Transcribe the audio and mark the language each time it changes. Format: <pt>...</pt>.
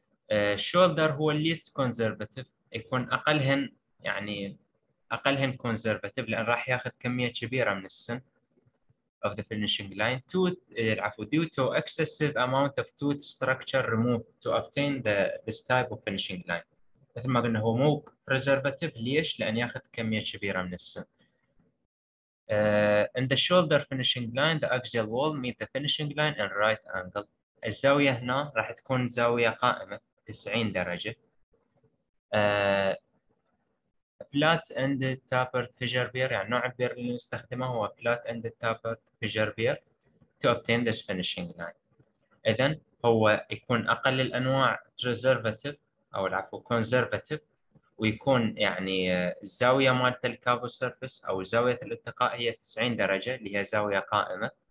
<ar>الشولدر هو الليست كونزرفاتيف، يكون اقلهن يعني اقلهن كونزرفاتيف لان راح ياخذ كميه كبيره من السن</ar> <en>of the finishing line to due to excessive amount of tooth structure removed to obtain the this type of finishing line.</en> <ar>مثل ما قلنا هو مو preservative. ليش؟ لأن يأخذ كمية كبيرة من السن.</ar> <en>In the shoulder finishing line, the axial wall meet the finishing line in right angle.</en> <ar>الزاوية هنا راح تكون زاوية قائمة 90 درجة.</ar> <en>Flat ended tapered fissure bear،</en> <ar>يعني نوع البير اللي نستخدمه هو</ar> <en>flat ended tapered fissure bear to obtain this finishing line.</en> <ar>إذن هو يكون أقل الأنواع preservative أو العفو conservative، ويكون يعني الزاوية مالت الكافو سيرفيس أو زاوية الالتقاء هي 90 درجة اللي هي زاوية قائمة.</ar>